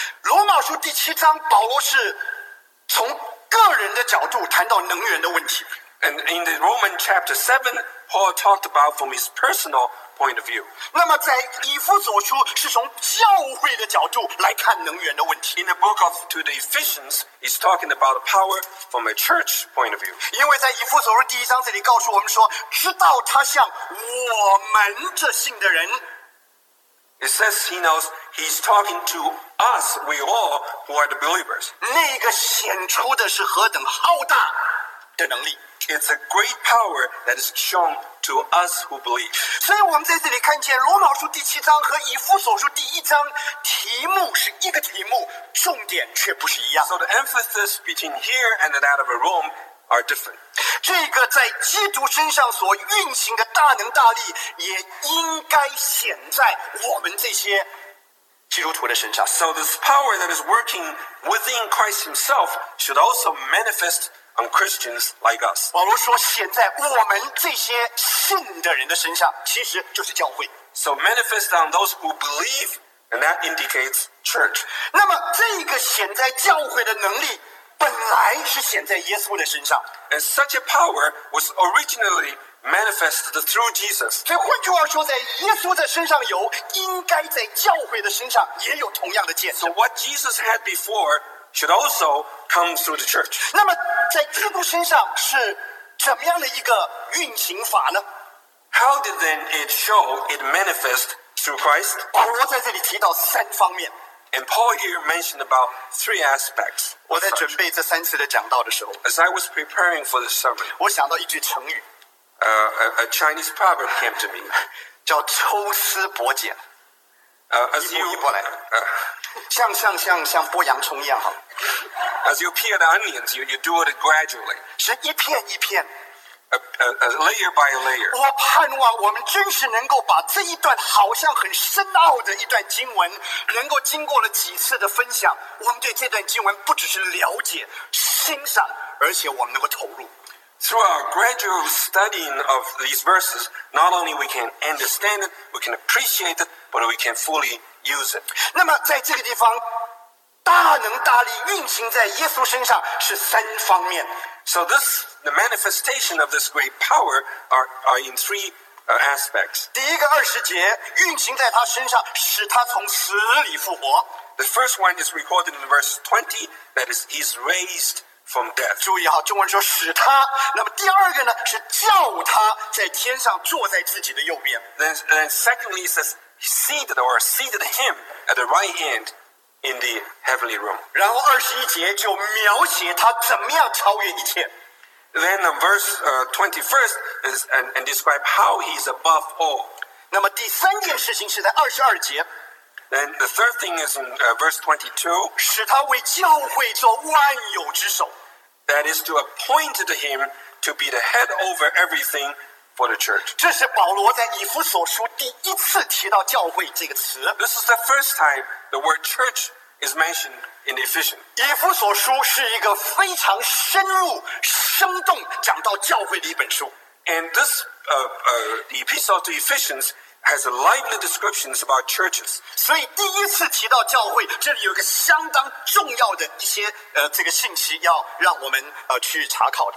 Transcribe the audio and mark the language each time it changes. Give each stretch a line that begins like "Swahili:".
Chinese: 罗马书第七章，保罗是从个人的角度谈到能源的问题。
English: And in the Romans chapter 7, Paul talked about from his personal point of view.
Chinese: 那么在以弗所书是从教会的角度来看能源的问题。
English: In the book of to the Ephesians, he's talking about power from a church point of view.
Chinese: 因为在以弗所书第一章这里告诉我们说，知道他向我们这信的人。
English: It says he knows he's talking to us, we all who are the believers.
Chinese: 那个显出的是何等浩大的能力。
English: It's a great power that is shown to us who believe.
Chinese: 所以我们在这里看见罗马书第七章和以弗所书第一章题目是一个题目，重点却不是一样。
English: So the emphasis between here and that of Rome are different.
Chinese: 这个在基督身上所运行的大能大力也应该显在我们这些基督徒的身上。
English: So this power that is working within Christ himself should also manifest on Christians like us.
Chinese: 保罗说显在我们这些信的人的身上，其实就是教会。
English: So manifest on those who believe, and that indicates church.
Chinese: 那么这个显在教会的能力本来是显在耶稣的身上。
English: And such a power was originally manifested through Jesus.
Chinese: 所以换句话说，在耶稣的身上有，应该在教会的身上也有同样的见证。
English: So what Jesus had before should also come through the church.
Chinese: 那么在基督身上是怎么样的一个运行法呢？
English: How did then it show it manifest through Christ?
Chinese: 保罗在这里提到三方面。
English: And Paul here mentioned about three aspects.
Chinese: 我在准备这三次的讲道的时候，
English: As I was preparing for the sermon,
Chinese: 我想到一句成语。
English: A Chinese proverb came to me.
Chinese: 叫抽丝剥茧。
English: As you,
Chinese: 一步一步来，像剥洋葱一样哈。
English: As you peel the onions, you do it gradually.
Chinese: 是一片一片。
English: A layer by layer.
Chinese: 我盼望我们真是能够把这一段好像很深奥的一段经文，能够经过了几次的分享，我们对这段经文不只是了解、欣赏，而且我们能够投入。
English: Through our gradual studying of these verses, not only we can understand it, we can appreciate it, but we can fully use it.
Chinese: 那么在这个地方，大能大力运行在耶稣身上是三方面。
English: So this, the manifestation of this great power are in three aspects.
Chinese: 第一个二十节，运行在他身上，使他从死里复活。
English: The first one is recorded in verse 20, that is, he's raised from death.
Chinese: 注意哈，中文说使他，那么第二个呢是叫他在天上坐在自己的右边。
English: Then secondly it says seated him at the right hand in the heavenly room.
Chinese: 然后二十一节就描写他怎么样超越一切。
English: Then the verse 21st is and describe how he's above all.
Chinese: 那么第三件事情是在二十二节。
English: And the third thing is in verse 22.
Chinese: 使他为教会做万有之首。
English: That is to appoint to him to be the head over everything for the church.
Chinese: 这是保罗在以弗所书第一次提到教会这个词。
English: This is the first time the word church is mentioned in Ephesians.
Chinese: 以弗所书是一个非常深入、生动讲到教会的一本书。
English: And this the epistle to Ephesians. Has a lively descriptions about churches.
Chinese: 所以第一次提到教会，这里有个相当重要的一些这个信息要让我们去查考的。